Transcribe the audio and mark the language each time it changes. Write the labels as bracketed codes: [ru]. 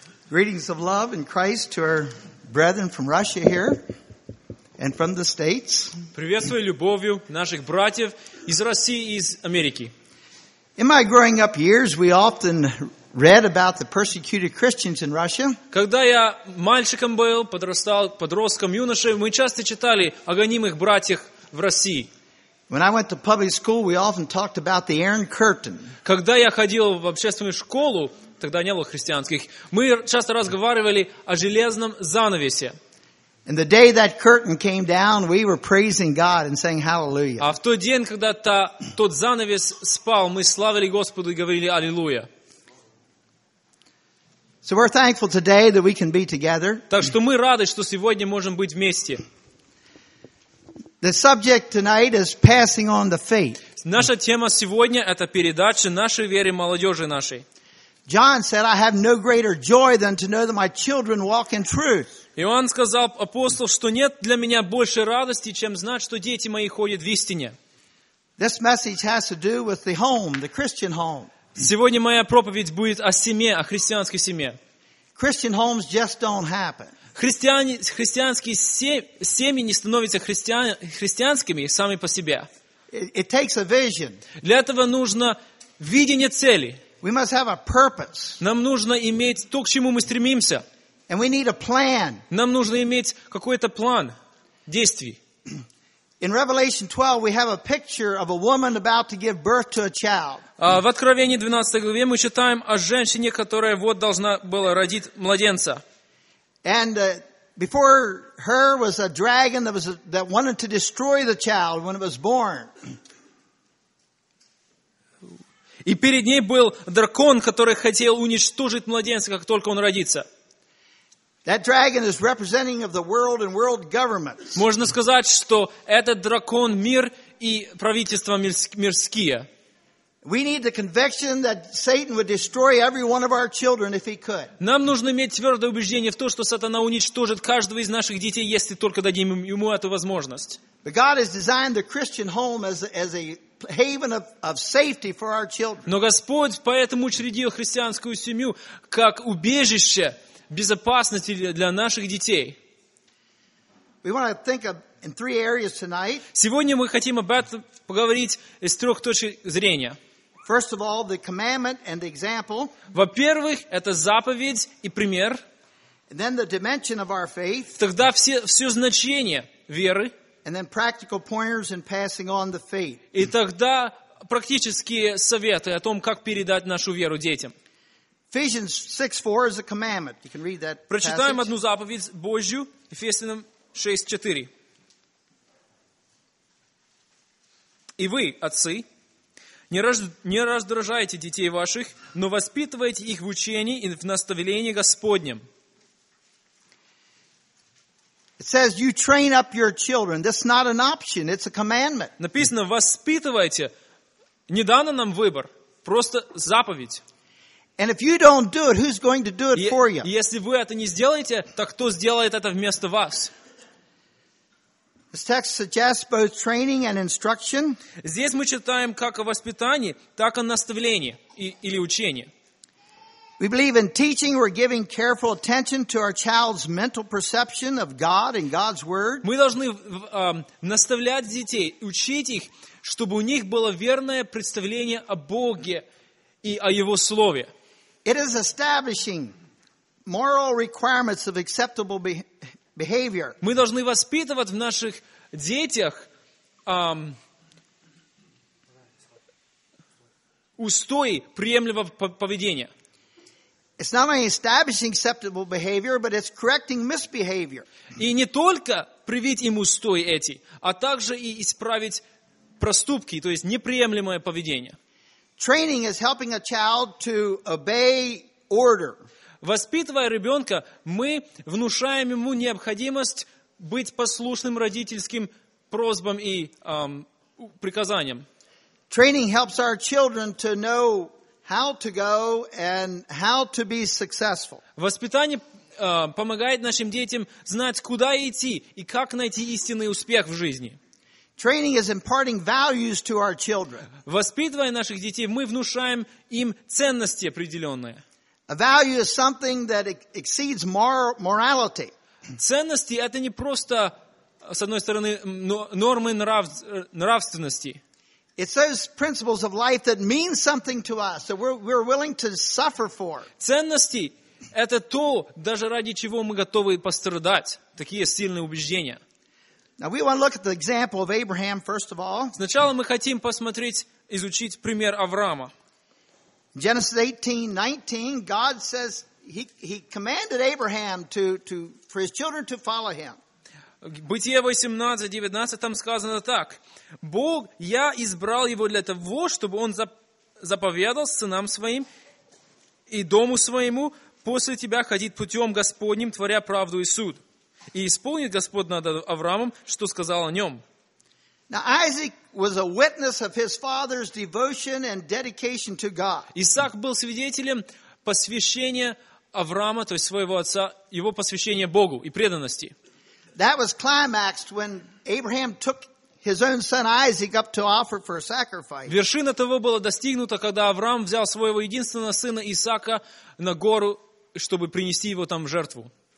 [en] Greetings of love in Christ to our brethren from Russia here and from the States. [ru] Приветствую любовью наших братьев из России и из Америки. [en] In my growing up years, we often read about the persecuted Christians in Russia. [ru] Когда я мальчиком был, подрастал, подростком, юношей, мы часто читали о гонимых братьях в России. [en] When I went to public school, we often talked about the Iron Curtain. [ru] Когда я ходил в общественную школу, тогда не было христианских, мы часто разговаривали о железном занавесе. [en] And the day that curtain came down, we were praising God and saying hallelujah. [ru] А в тот день, когда тот занавес спал, мы славили Господу и говорили аллилуйя. [en] So we're thankful today that we can be together. [ru] Так что мы рады, что сегодня можем быть вместе. [en] The subject tonight is passing on the faith. [ru] Наша тема сегодня – это передача нашей веры молодежи нашей. [en] John said, "I have no greater joy than to know that my children walk in truth." [ru] Иоанн сказал апостол, что нет для меня большей радости, чем знать, что дети мои ходят в истине. [en] This message has to do with the home, the Christian home. [ru] Сегодня моя проповедь будет о семье, о христианской семье. [en] Christian homes just don't happen. [ru] Христианские семьи не становятся христианскими сами по себе. [en] It takes a vision. [ru] Для этого нужно видение цели. [en] We must have a purpose. [ru] Нам нужно иметь то, к чему мы стремимся. [en] And we need a plan. [ru] Нам нужно иметь какой-то план действий. [en] In Revelation 12 we have a picture of a woman about to give birth to a child. [ru] В Откровении 12 главе мы читаем о женщине, которая вот должна была родить младенца. [en] And before her was a dragon that wanted to destroy the child when it was born. [ru] И перед ней был дракон, который хотел уничтожить младенца, как только он родится. [en] That dragon is representing of the world and world governments. [ru] Можно сказать, что этот дракон мир и правительства мирские. [en] We need the conviction that Satan would destroy every one of our children if he could. [ru] Нам нужно иметь твердое убеждение в том, что сатана уничтожит каждого из наших детей, если только дадим ему эту возможность. [en] But God has designed the Christian home as a haven of safety for our children. [ru] Но Господь поэтому учредил христианскую семью как убежище безопасности для наших детей. [en] We want to think of in three areas tonight. [ru] Сегодня мы хотим об этом поговорить с трех точек зрения. [en] First of all, the commandment and the example. [ru] Во-первых, это заповедь и пример. [en] And then the dimension of our faith. [ru] Тогда все значение веры. [en] And then practical pointers in passing on the faith. [ru] И тогда практические советы о том, как передать нашу веру детям. [en] Ephesians 6:4 is a commandment. You can read that. [ru] Прочитаем [en] passage. [ru] Одну заповедь Божью, Ефесянам 6:4. И вы, отцы, не раздражайте детей ваших, но воспитывайте их в учении и в наставлении Господнем. [en] It says you train up your children. That's not an option, it's a commandment. [ru] Написано, воспитывайте. Не дано нам выбор, просто заповедь. [en] And if you don't do it, who's going to do it for you? [ru] Если вы это не сделаете, то кто сделает это вместо вас? [en] This text suggests both training and instruction. [ru] Здесь мы читаем как о воспитании, так и наставлении или учении. [en] We believe in teaching, we're giving careful attention to our child's mental perception of God and God's word. [ru] Мы должны наставлять детей, учить их, чтобы у них было верное представление о Боге и о Его Слове. [en] It is establishing moral requirements of acceptable behavior. [ru] Мы должны воспитывать в наших детях устои приемлемого поведения. [en] It's not only establishing acceptable behavior, but it's correcting misbehavior. [ru] И не только привить им устои эти, а также и исправить проступки, то есть неприемлемое поведение. [en] Training is helping a child to obey order. [ru] Воспитывая ребенка, мы внушаем ему необходимость быть послушным родительским просьбам и приказаниям. [en] Training helps our children to know how to go and how to be successful. [ru] Воспитание помогает нашим детям знать, куда идти и как найти истинный успех в жизни. [en] Training is imparting values to our children. [ru] Воспитывая наших детей, мы внушаем им ценности определенные. [en] A value is something that exceeds morality. [ru] Ценности это не просто с одной стороны нормы нравственности. [en] It's those principles of life that mean something to us that we're willing to suffer for. [ru] Ценности это то, даже ради чего мы готовы пострадать. Такие сильные убеждения. [en] Now we want to look at the example of Abraham first of all. [ru] Сначала мы хотим посмотреть, изучить пример Авраама. [en] Genesis 18:19, God says he commanded Abraham to for his children to follow him. [ru] Бытие 18:19 там сказано так: Бог, я избрал его для того, чтобы он заповедал сынам своим и дому своему после тебя ходить путем Господним, творя правду и суд. И исполнит Господь над Авраамом, что сказал о нем. [en] Now Isaac was a witness of his father's devotion and dedication to God. [ru] Исаак был свидетелем посвящения Авраама, то есть своего отца, его посвящения Богу и преданности. [en] That was climaxed when Abraham took his own son Isaac up to offer for a sacrifice. [ru] Вершина того была достигнута, когда Авраам взял своего единственного сына Исаака на гору, чтобы принести его там в жертву.